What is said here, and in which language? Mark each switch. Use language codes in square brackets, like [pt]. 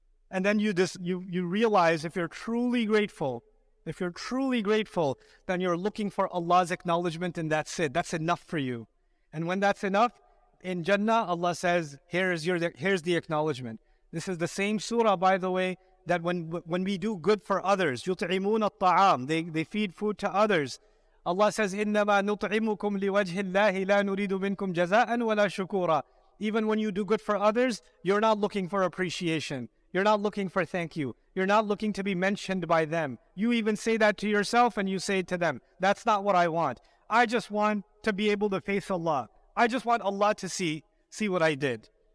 [en] And then you realize if you're truly grateful, then you're looking for Allah's acknowledgement, and that's it. That's enough for you. And when that's enough, in Jannah, Allah says, here's the acknowledgement. This is the same surah, by the way, that when we do good for others, [ar] يُطْعِمُونَ الطَّعَامِ, [en] they feed food to others. Allah says, [ar] إِنَّمَا نُطْعِمُكُمْ لِوَجْهِ اللَّهِ لَا نُرِيدُ مِنْكُمْ جَزَاءً وَلَا شُكُورًا. [en] Even when you do good for others, you're not looking for appreciation. You're not looking for thank you. You're not looking to be mentioned by them. You even say that to yourself and you say it to them. That's not what I want. I just want to be able to face Allah. I just want Allah to see what I did.